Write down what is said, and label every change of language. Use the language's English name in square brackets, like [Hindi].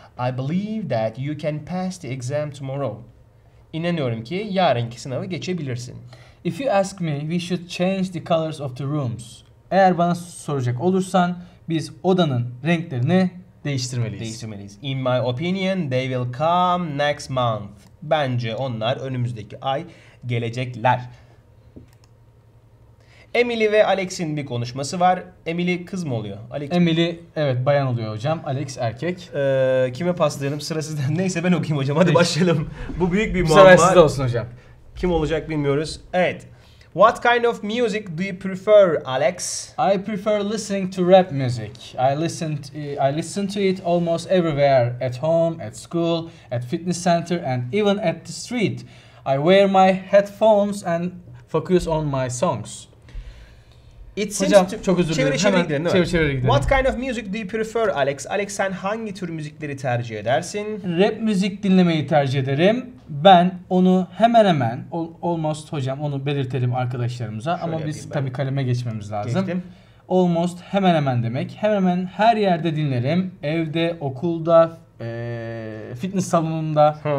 [English] I believe that you can pass the exam tomorrow. [Turkish] İnanıyorum ki yarınki sınavı geçebilirsin. [English] If you ask me, we should change the colors of the rooms. [Turkish] Eğer bana soracak olursan, biz odanın renklerini değiştirmeliyiz. Değiştirmeliyiz. [English] In my opinion, they will come next month. [Turkish] Bence onlar önümüzdeki ay gelecekler. Emily ve Alex'in bir konuşması var. Emily kız mı oluyor? Alex. Emily evet bayan oluyor hocam. Alex erkek. Kime paslayalım? Sıra sizden. Neyse ben okuyayım hocam. Hadi başlayalım. Bu büyük bir muamma. Sıra sizde olsun hocam. Kim olacak bilmiyoruz. Evet. [English] What kind of music do you prefer, Alex? I prefer listening to rap music. I listen to it almost everywhere. At home, at school, at fitness center and even at the street. I wear my headphones and focus on my songs. It's [Turkish] çok özür dilerim. Çevir gidelim. [English] What kind of music do you prefer, Alex? [Turkish] Alex sen hangi tür müzikleri tercih edersin? Rap müzik dinlemeyi tercih ederim. Ben onu hemen hemen almost hocam onu belirtelim arkadaşlarımıza şöyle ama biz tabii kaleme geçmemiz lazım. Geçtim. Almost hemen hemen demek. Hemen hemen her yerde dinlerim. Evde, okulda, fitness salonunda.